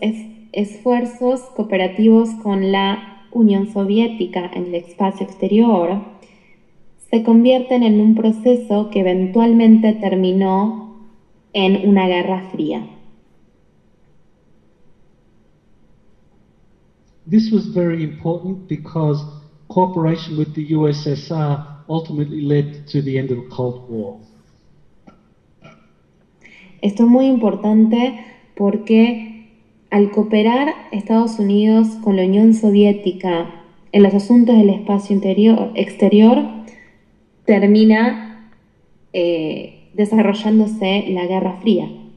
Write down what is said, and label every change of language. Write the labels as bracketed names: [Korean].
[Spanish] Los esfuerzos cooperativos con la Unión Soviética en el espacio exterior se convierten en un proceso que eventualmente terminó en una Guerra Fría. [English] This was very important because cooperation with the USSR ultimately led to the end of the Cold War. [Spanish] Esto es muy importante porque al cooperar Estados Unidos con la Unión Soviética en los asuntos del espacio exterior, termina desarrollándose la Guerra Fría.